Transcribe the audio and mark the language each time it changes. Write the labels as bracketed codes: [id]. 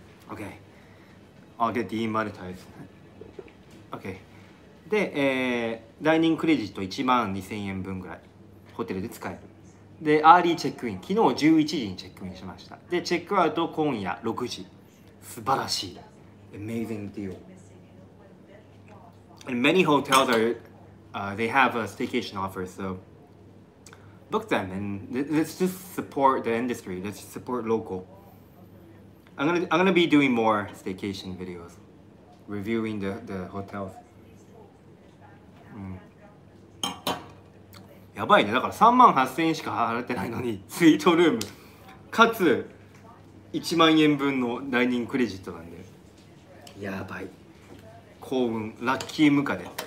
[en] Okay. I'll get demonetized. Okay. [ja] で、ダイニングクレジット12,000円分ぐらいホテルで使える。で、アーリーチェックイン。昨日11時にチェックインしました。で、チェックアウト今夜6時。素晴らしい。 [en] Amazing deal. And many hotels are, they have a staycation offer, so book them and let's just support the industry. Let's support local. I'm gonna be doing more staycation videos, reviewing the hotels. [ja] やばいね、だから38,000円しか払ってないのにスイートルーム かつ10,000円分のダイニングクレジットなんでやばい、幸運、ラッキームカデ。